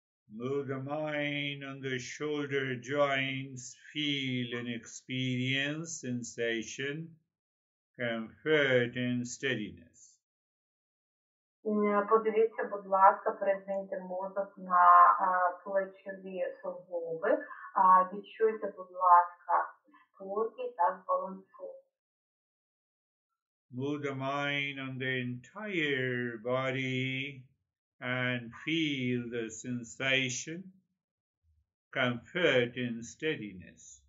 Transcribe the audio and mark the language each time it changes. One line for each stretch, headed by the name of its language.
English: Move the mind on the shoulder joints, feel and experience sensation. Comfort and steadiness.
Ukrainian: Подивіться, будь ласка, перезвиньте мозок на плечові суглоби. Відчуйте, будь ласка, спокій та збалансованість.
English: Move the mind on the entire body and feel the sensation, comfort and steadiness.